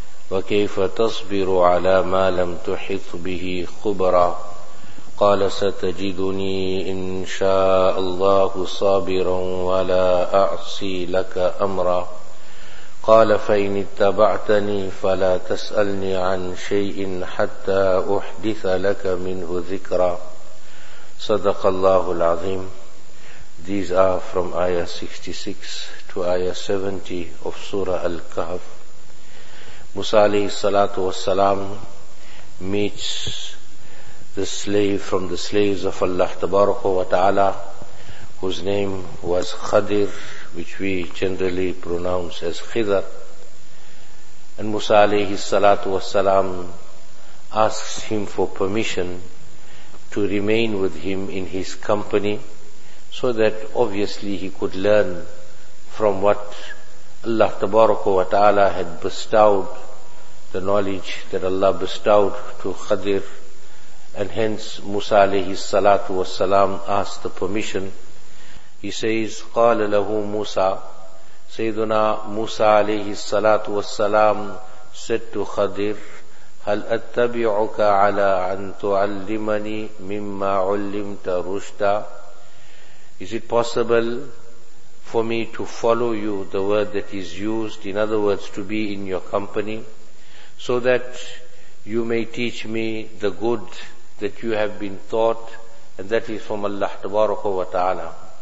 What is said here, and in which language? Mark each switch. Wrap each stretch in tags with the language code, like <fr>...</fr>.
<ar>وكيف تصبر على ما لم تحط به خبرا؟ قال: ستجدني إن شاء الله صابرا ولا أعصي لك أمرا. قال: فإن اتبعتني فلا تسألني عن شيء حتى أحدث لك منه ذكرا. صدق الله العظيم.</ar> <en>These are from Ayah 66 to Ayah 70 of Surah Al-Kahf. Musa alayhi salatu wassalam meets the slave from the slaves of Allah tabaraka wa ta'ala, whose name was Khadir, which we generally pronounce as Khidr. And Musa alayhi salatu wassalam asks him for permission to remain with him in his company, so that obviously he could learn from what Allah tabaraka wa ta'ala had bestowed, the knowledge that Allah bestowed to Khadir. And hence Musa alayhi salatu wassalam asked the permission. He says,</en> <ar>قال له موسى,</ar> <en>Sayyiduna Musa alayhi salatu wassalam said to Khadir,</en> <ar>هل أتبعك على أن تعلمني مما علمت رشدا?</ar> <en>Is it possible for me to follow you, the word that is used, in other words, to be in your company, so that you may teach me the good that you have been taught, and that is from Allah tabaraka wa ta'ala.</en>